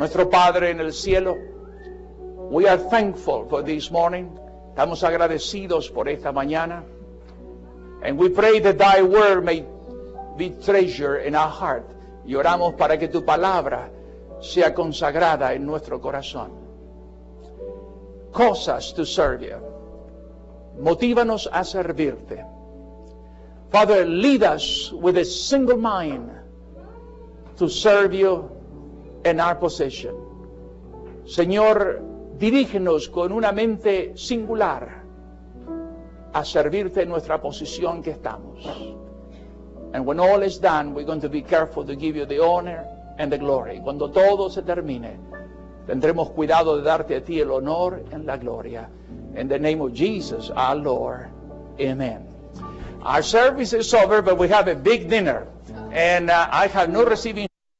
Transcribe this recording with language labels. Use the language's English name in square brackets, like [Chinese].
[Spanish] Padre en el cielo, [English] we are thankful for this morning. [Spanish] Estamos agradecidos por esta mañana. [English] And we pray that thy word may be treasured in our heart. [Spanish] Y oramos para que tu palabra sea consagrada en nuestro corazón. cosas [English] to serve you. [Spanish] Motívanos a servirte. [English] Father, lead us with a single mind to serve you in our position. [Spanish] Señor, dirígenos con una mente singular a servirte en nuestra posición que estamos. [English] And when all is done, we're going to be careful to give you the honor and the glory. [Spanish] Cuando todo se termine, tendremos cuidado de darte a ti el honor y la gloria. [English] In the name of Jesus, our Lord. Amen. Our service is over, but we have a big dinner. And I have no receiving...